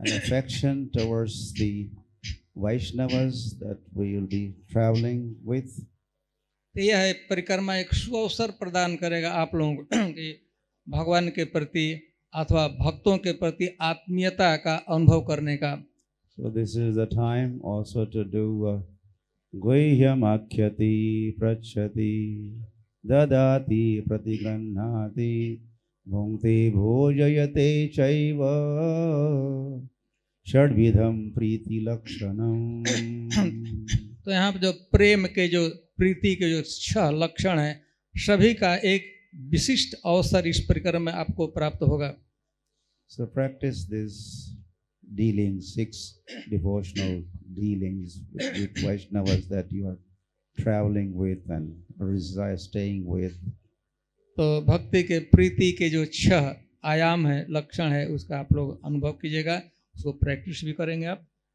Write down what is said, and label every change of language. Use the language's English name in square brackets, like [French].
[English] an affection towards the Vaishnavas that we will be traveling with. [Hindi] यह परिक्रमा एक सुअवसर प्रदान करेगा आप लोगों को कि भगवान के प्रति अथवा भक्तों के प्रति आत्मीयता का अनुभव करने का. [English] So this is the time also to do [Sanskrit] guhyam akhyati prachati dadati pratigrahnati bhunkti bhojayate chaiva shadvidham priti lakshanam. [Hindi] तो यहाँ पर जो प्रेम के जो प्रीति के जो छह लक्षण हैं सभी का एक विशिष्ट अवसर इस परिक्रमा में आपको प्राप्त होगा. [English] So practice this dealing, six devotional dealings with Vaishnavas that you are traveling with and reside, staying with. [Hindi] तो भक्ति के प्रीति के जो छह आयाम है लक्षण है उसका आप लोग अनुभव कीजिएगा, उसको प्रैक्टिस भी करेंगे आप.